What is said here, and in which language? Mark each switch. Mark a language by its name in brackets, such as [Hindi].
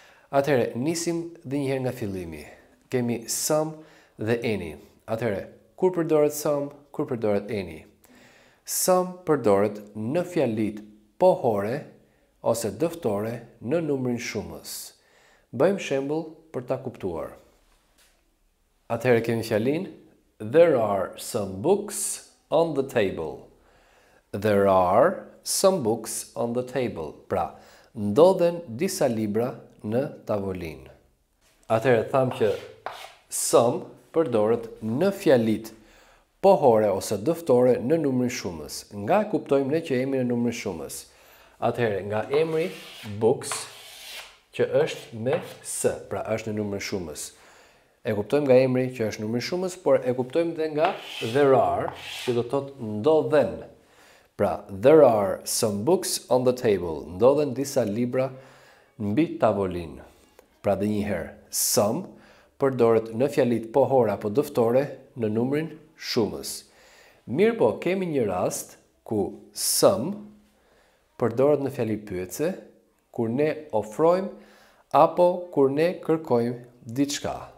[Albanian] Atëherë, nisim dhe njëherë nga fillimi. Kemi some dhe any. Atëherë, kur përdoret some, kur përdoret any? Some përdoret në fjalit pohore ose dëftore në numrin shumës. Bëjmë shembull për ta kuptuar. Atëherë kemi fjalin, [English] there are some books on the table. There are some books on the table. [Albanian] Pra, ndodhen disa libra në tavolinë. Atëherë tham që some përdoret në fjalit pohore ose dëftore në numrin shumës. Nga e kuptojmë ne që jemi në numrin shumës. Atëherë nga emri books që është me s, pra është në numrin shumës. E kuptojmë nga emri që është numrin shumës, por e kuptojmë dhe nga [English] there are, [Albanian] që do të thotë ndodhen. [English] Pra, there are some books on the table. [Albanian] Ndodhen disa libra mbi tavolinë. Pra dhe njëherë, some përdoret në fjalit pohore apo dëftore në numrin shumës. Mirë po, kemi një rast ku some përdoret në fjali pyetëse, kur ne ofrojmë apo kur ne kërkojmë diçka.